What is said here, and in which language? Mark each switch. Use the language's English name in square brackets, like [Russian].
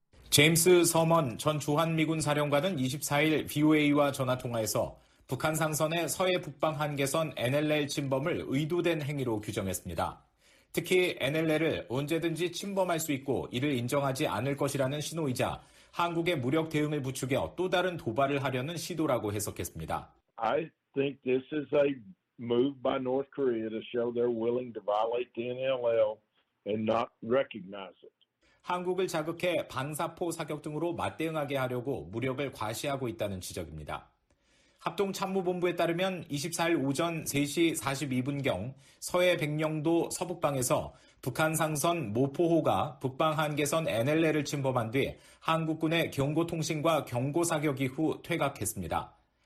[Korean] 제임스 서먼 전 주한미군 사령관은 24일 VOA와 전화통화에서 북한 상선의 서해 북방 한계선 NLL 침범을 의도된 행위로 규정했습니다. 특히 NLL을 언제든지 침범할 수 있고 이를 인정하지 않을 것이라는 신호이자 한국의 무력 대응을 부추겨 또 다른 도발을 하려는 시도라고 해석했습니다. [English] I think this is a move by North Korea to show they're willing to violate the NLL and not recognize it. [Korean] 한국을 자극해 방사포 사격 등으로 맞대응하게 하려고 무력을 과시하고 있다는 지적입니다. 합동참모본부에 따르면 24일 오전 3시 42분경 서해 백령도 서북방에서 북한 상선 모포호가 북방 한계선 NLL을 침범한 뒤 한국군의 경고통신과 경고사격 이후 퇴각했습니다.